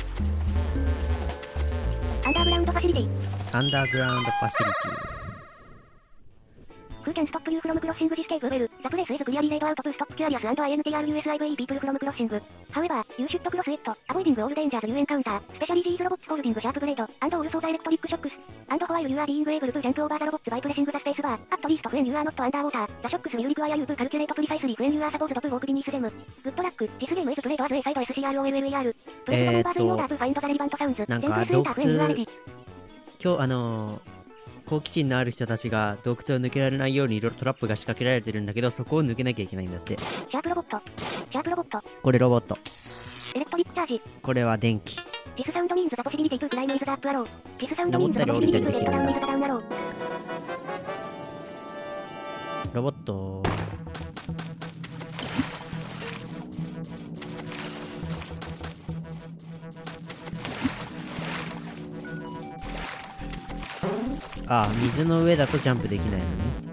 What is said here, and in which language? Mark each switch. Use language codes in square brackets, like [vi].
[en] ンダーグラウンドファシリティ。アンダーグラウンドファシリティ。 Who can stop you from crossing this cave well? The place is clearly laid out to stop curious and intrusive people from crossing. However, you should cross it, avoiding all dangers you encounter, especially these robots holding sharp blade, and also the electric shocks. And while you are being able to jump over the robots by pressing the space bar, at least when you are not underwater, the shocks will require you to calculate precisely when you are supposed to walk beneath them. Good luck, this game is played as a side SCROLL. Please move over in order to find the relevant sounds. [ja] なんか洞窟、今日好奇心のある人たちが洞窟を抜けられないようにいろいろトラップが仕掛けられてるんだけど、そこを抜けなきゃいけないんだって。 [en] シャープロボット、シャープロボット、 [ja] これロボット。 [en] エレクトリックチャージ、 [ja] これは電気。 [en] This sound means the possibility to climb is up arrow. This sound means the possibility to get down is down arrow. [ja] ロボットああ、水の上だとジャンプできないのね。